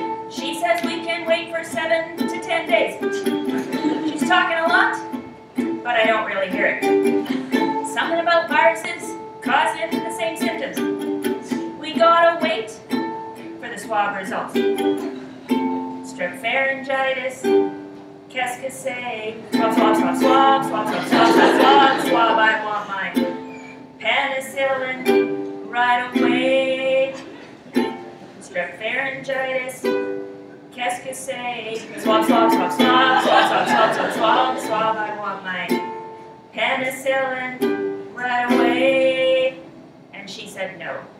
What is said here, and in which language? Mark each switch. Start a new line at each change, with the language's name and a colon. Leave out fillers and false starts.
English: She says we can wait for 7 to 10 days. She's talking a lot, but I don't really hear it. Something about viruses causing the same symptoms. We gotta wait for the swab results.
French: Strep pharyngitis, qu'est-ce que c'est?
English: Swab, swab, swab, swab, swab, swab, swab, swab, swab, swab, I want my penicillin right away.
French: Strep pharyngitis, qu'est-ce que c'est?
English: Swab, swab, swab, swab, swab, swab, swab, swab, swab, swab, I want my penicillin right away. And she said no.